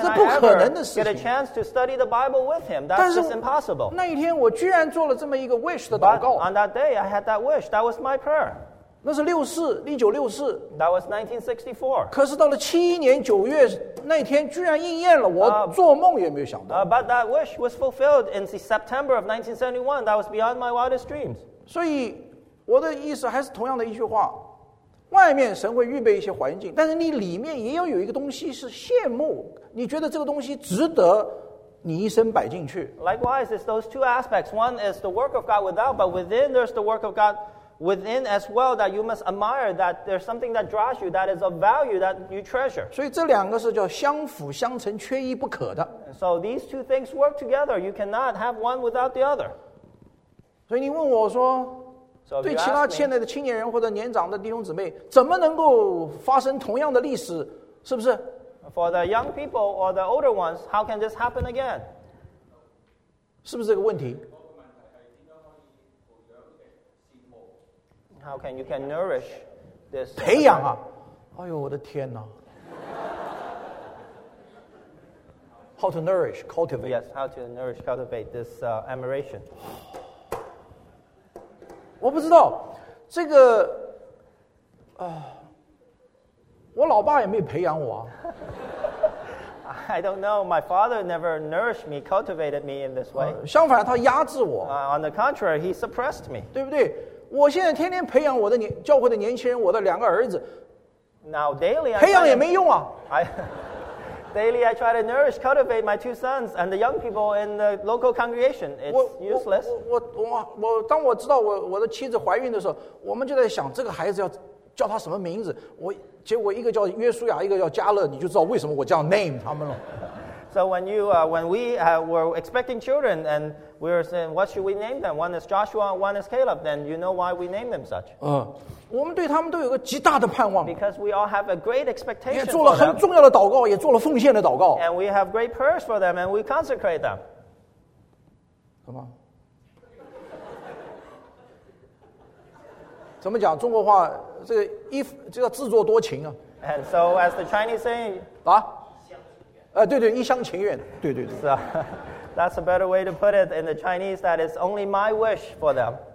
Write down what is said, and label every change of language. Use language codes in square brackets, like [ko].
[zh] 这不可能的事情。 [en] Get a chance to study the Bible with him. That's just impossible. [zh] 那一天我居然做了这么一个wish的祷告。 [en] On that day, I had that wish. That was my prayer. [zh] 那是64, 1964, [en] that was 1964. [zh] 可是到了71年9月, 那天居然应验了, 我做梦也没有想到。 [en] But that wish was fulfilled in September of 1971. That was beyond my wildest dreams. [zh] 所以我的意思还是同样的一句话, 外面神会预备一些环境, 但是你里面也要有一个东西是羡慕, 你觉得这个东西值得, ,你一生摆进去。 [en] Likewise, it's those two aspects. One is the work of God without, but within there's the work of God within as well that you must admire, that there's something that draws you, that is of value, that you treasure. [zh] 所以这两个是叫相辅相成, [en] so these two things work together. You cannot have one without the other. [zh] 所以你问我说, [en] so if you ask me, [zh] 对其他现在的青年人或者年长的弟兄姊妹, 怎么能够发生同样的历史, 是不是? [en] For the young people or the older ones, how can this happen again? [zh] 是不是这个问题? [en] How can you can nourish this? [zh] 培养啊, 哎呦我的天哪, [en] how to nourish, cultivate? Yes, how to nourish, cultivate this admiration? [zh] 我不知道, 这个, 我老爸也没培养我啊。 [en] I don't know. My father never nourished me, cultivated me in this way. [zh] 相反他压制我。 [en] On the contrary, he suppressed me. [zh] 对不对? 我现在天天培养我的教会的年轻人，我的两个儿子。 [en] Now daily, [zh] 培养也没用啊。 [en] Daily, I try to nourish, cultivate my two sons and the young people in the local congregation. It's useless. [zh] 我当我知道我的妻子怀孕的时候，我们就在想这个孩子要叫他什么名字。我结果一个叫约书亚，一个叫加勒，你就知道为什么我这样name他们了。 [en] So when you, when we were expecting children, and we were saying, what should we name them? One is Joshua, one is Caleb. Then you know why we name them such. 我们对他们都有个极大的盼望。 Because we all have a great expectation. 也做了很重要的祷告， 也做了奉献的祷告。 And we have great prayers for them, and we consecrate them. [zh] 什么？怎么讲中国话？这个制作多情啊。 [en] And so as the Chinese saying, [zh] 啊？对对，一厢情愿，对对对。So, [en] that's a better way to put it in the Chinese, that it's only my wish for them.